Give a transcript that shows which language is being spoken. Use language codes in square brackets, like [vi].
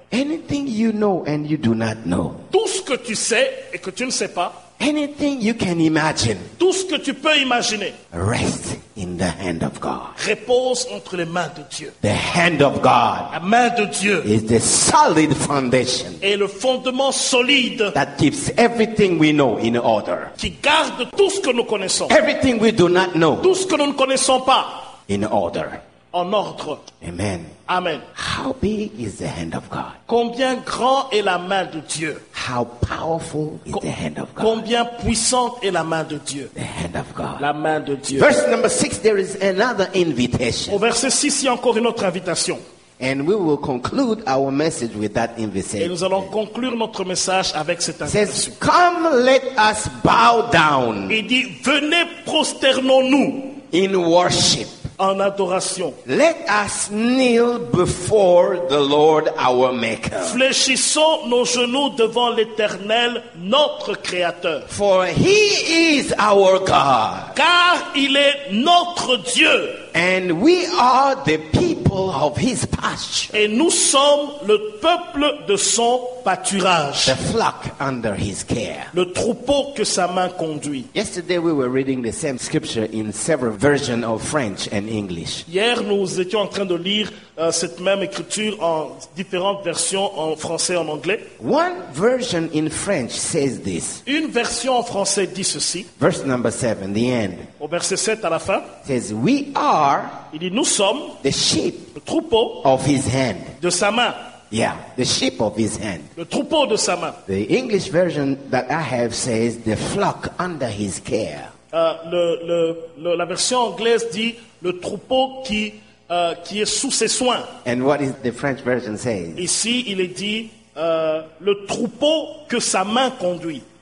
[en] Anything you know and you do not know. [fr] Tout ce que tu sais et que tu ne sais pas. [en] Anything you can imagine. [fr] Tout ce que tu peux imaginer. [en] Rest in the hand of God. [fr] Repose entre les mains de Dieu. [en] The hand of God. [fr] La main de Dieu. [en] Is the solid foundation. [fr] Et le fondement solide. [en] That keeps everything we know in order. [fr] Qui garde tout ce que nous connaissons. [en] Everything we do not know. [fr] Tout ce que nous ne connaissons pas. [en] In order. [fr] en ordre. [en] Amen. [fr] Amen. [en] How big is the hand of God? [fr] Combien grand est la main de Dieu? [en] How powerful is the hand of God? [fr] Combien puissante est la main de Dieu? [en] The hand of God. [fr] La main de Dieu. [en] Verse number 6, there is another invitation. [fr] Au verset 6, il y a encore une autre invitation. [en] And we will conclude our message with that invitation. [fr] Et nous allons conclure notre message avec cette invitation. [en] Says, come, let us bow down. [fr] Il dit, venez, prosternons-nous. [en] In worship. [fr] En adoration. [en] Let us kneel before the Lord our Maker. [fr] Fléchissons nos genoux devant l'Éternel, notre Créateur. [en] For He is our God. [fr] Car il est notre Dieu. [en] And we are the people of His pasture. [fr] Et nous sommes le peuple de son pâturage. [en] The flock under His care. [fr] Le troupeau que sa main conduit. [en] Yesterday we were reading the same scripture in several versions of French and English. [fr] Hier nous étions en train de lire cette même écriture en différentes versions en français et en anglais. [en] One version in French says this. [fr] Une version en français dit ceci. [en] Verse number 7, the end. [fr] Au verset 7 à la fin. [en] Says we are. [fr] Il dit nous sommes. [en] The sheep. [fr] Le troupeau. [en] Of His hand. [fr] De sa main. [en] Yeah, the sheep of His hand. [fr] Le troupeau de sa main. [en] The English version that I have says the flock under His care. [fr] La version anglaise dit le troupeau qui est sous ses soins. [en] And what is the French version saying? [fr] Ici, il est dit le troupeau que sa main conduit.